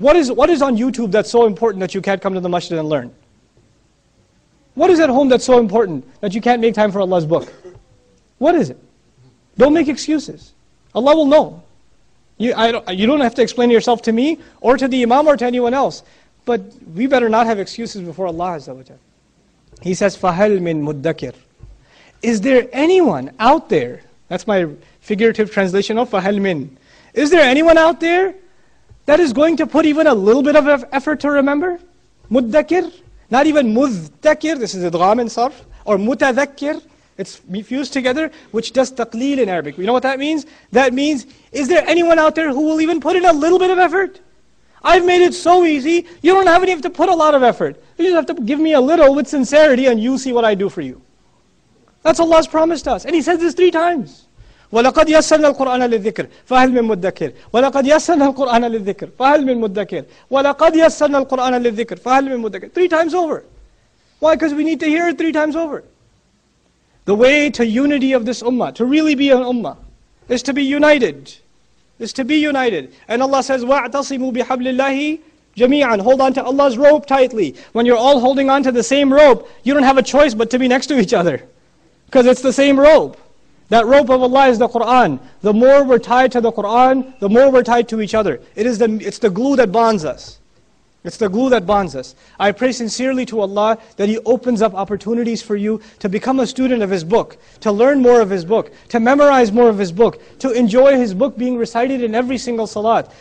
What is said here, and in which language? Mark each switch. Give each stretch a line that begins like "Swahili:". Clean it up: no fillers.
English: What is on YouTube that's so important that you can't come to the masjid and learn? What is at home that's so important that you can't make time for Allah's book? What is it? Don't make excuses. Allah will know. You don't have to explain yourself to me or to the imam or to anyone else. But we better not have excuses before Allah Azza wa Jalla. He says,
Arabic: فَهَلْ مِن مُدَّكِرْ.
English: Is there anyone out there? That's my figurative translation of
Arabic: فَهَلْ مِن.
English: Is there anyone out there that is going to put even a little bit of effort to remember?
Arabic: مُدَّكِرْ.
English: Not even مُذْتَكِرْ. This is إِدْغَامِ صَرْف. Or
Arabic: مُتَذَكِّرْ.
English: It's fused together, which does taqleel in Arabic. You know what that means? That means, is there anyone out there who will even put in a little bit of effort? I've made it so easy, you don't even have to put a lot of effort. You just have to give me a little with sincerity and you see what I do for you. That's Allah's promised us. And He says this 3 times.
Arabic: وَلَقَدْ يَسَّرْنَا الْقُرْآنَ لِلذِّكْرِ فَهَلْ مِن مُدَّكِرْ. وَلَقَدْ يَسَّرْنَا الْقُرْآنَ لِلذِّكْرِ فَهَلْ مِن مُدَّكِرْ. وَلَقَدْ يَسَّرْنَا الْقُرْآنَ لِلذِّكْرِ فَهَلْ مِن مُدَّكِرْ.
English: 3 times over. Why? Because we need to hear it 3 times over. The way to unity of this ummah, to really be an ummah, is to be united. Is to be united. And Allah says,
Arabic: وَاعْتَصِمُوا بِحَبْلِ اللَّهِ جَمِيعًا.
English: Hold on to Allah's rope tightly. When you're all holding on to the same rope, you don't have a choice but to be next to each other. Because it's the same rope. That rope of Allah is the Qur'an. The more we're tied to the Qur'an, the more we're tied to each other. It's the glue that bonds us. It's the glue that bonds us. I pray sincerely to Allah that He opens up opportunities for you to become a student of His book, to learn more of His book, to memorize more of His book, to enjoy His book being recited in every single salat.